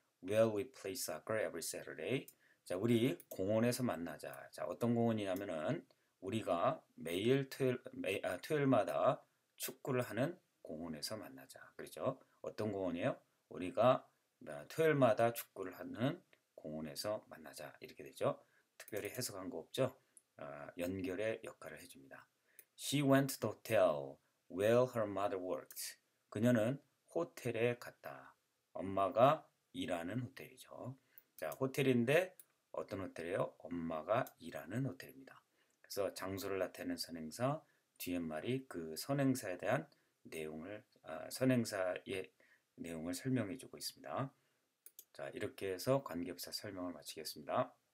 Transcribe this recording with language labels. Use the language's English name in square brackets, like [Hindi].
[English] Where we place our car every Saturday. [Korean] 자, 우리 공원에서 만나자. 자, 어떤 공원이냐면은 우리가 매일 토요일, 매, 아, 토요일마다 축구를 하는 공원에서 만나자. 그렇죠? 어떤 공원이에요? 우리가 토요일마다 축구를 하는 공원에서 만나자. 이렇게 되죠? 특별히 해석한 거 없죠? 연결의 역할을 해줍니다. [English] She went to the hotel where her mother worked. [Korean] 그녀는 호텔에 갔다. 엄마가 이라는 호텔이죠. 자, 호텔인데 어떤 호텔이에요? 엄마가 이라는 호텔입니다. 그래서 장소를 나타내는 선행사 뒤에 말이 그 선행사에 대한 내용을 선행사의 내용을 설명해 주고 있습니다. 자, 이렇게 해서 관계부사 설명을 마치겠습니다.